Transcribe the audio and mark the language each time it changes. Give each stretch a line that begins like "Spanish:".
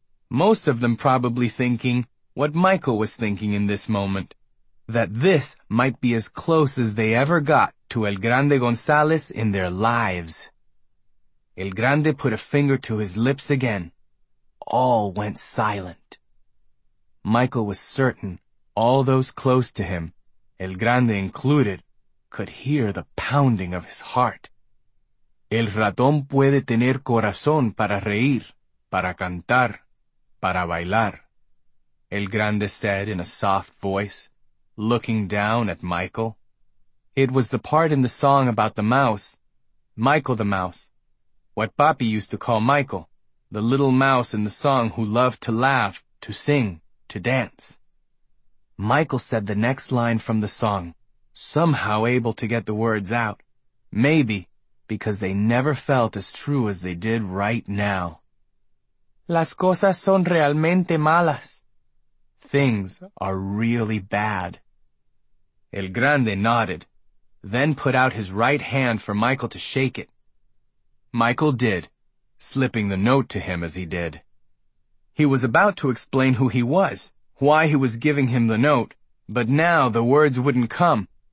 English: Most of them probably thinking what Michael was thinking in this moment, that this might be as close as they ever got to El Grande Gonzalez in their lives. El Grande put a finger to his lips again. All went silent. Michael was certain all those close to him, El Grande included, could hear the pounding of his heart.
Spanish: El ratón puede tener corazón para reír, para cantar, para bailar,
English: El Grande said in a soft voice, looking down at Michael. It was the part in the song about the mouse, Michael the mouse, what Papi used to call Michael, the little mouse in the song who loved to laugh, to sing, to dance. Michael said the next line from the song, somehow able to get the words out. Maybe because they never felt as true as they did right now.
Spanish: Las cosas son realmente malas.
English: Things are really bad. El Grande nodded, then put out his right hand for Michael to shake it. Michael did, slipping the note to him as he did. He was about to explain who he was, why he was giving him the note, but now the words wouldn't come.